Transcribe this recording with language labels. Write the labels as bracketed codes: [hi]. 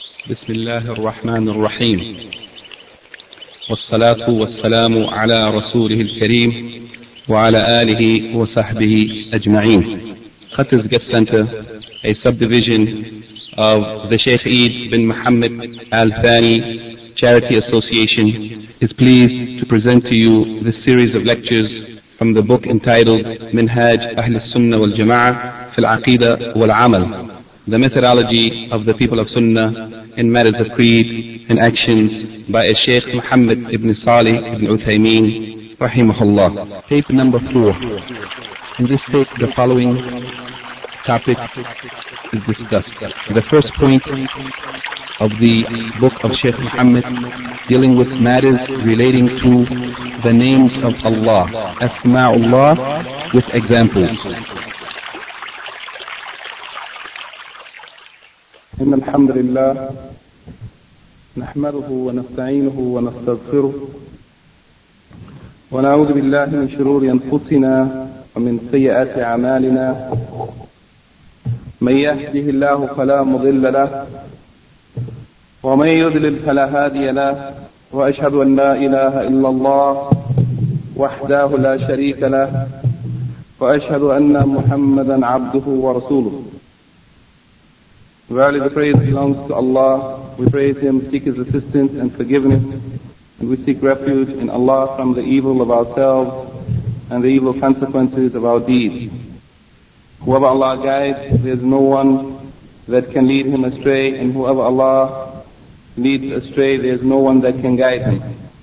[ar] بسم الله الرحمن الرحيم والصلاة والسلام على رسوله الكريم وعلى آله وصحبه أجمعين. [en] Khatiz Guest Center, a subdivision of the Sheikh Eid bin Muhammad Al Thani Charity Association, is pleased to present to you this series of lectures from the book entitled Minhaj Ahl-us-Sunnah wal Jama'ah fil Aqeedah wal Amal, the methodology of the people of Sunnah in matters of creed and actions, by a Sheikh Muhammad ibn Salih ibn Uthaymeen rahimahullah. Tape number 4. In this tape, the following topic is discussed. The first point of the book of Sheikh Muhammad, dealing with matters relating to the names of Allah, Asma'ullah, with examples. [ar] إن الحمد لله نحمده ونستعينه ونستغفره ونعوذ بالله من شرور أنفسنا ومن سيئات أعمالنا من يهده الله فلا مضل له ومن يضلل فلا هادي له وأشهد أن لا إله إلا الله وحده لا شريك له وأشهد أن محمدا عبده ورسوله. [en] Verily the praise belongs to Allah. We praise Him, seek His assistance and forgiveness, and we seek refuge in Allah from the evil of ourselves and the evil consequences of our deeds. Whoever Allah guides, there is no one that can lead him astray, and whoever Allah leads astray, there is no one that can guide him.